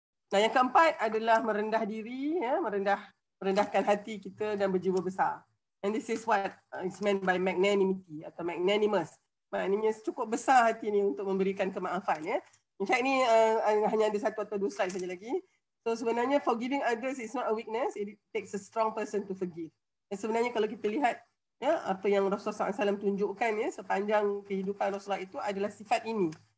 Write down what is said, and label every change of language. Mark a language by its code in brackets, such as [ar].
[ms] Nah, yang keempat adalah merendah diri, ya, merendahkan hati kita dan berjiwa besar. [en] And this is what is meant by magnanimity atau magnanimous. [ms] Maknanya cukup besar hati ni untuk memberikan kemaafan. Ya. [en] In fact, [ms] ni hanya ada satu atau dua slide saja lagi. [en] So [ms] sebenarnya [en] forgiving others is not a weakness. It takes a strong person to forgive. [ms] And sebenarnya kalau kita lihat, ya, apa yang Rasulullah SAW tunjukkan, ya, sepanjang kehidupan Rasulullah itu adalah sifat ini.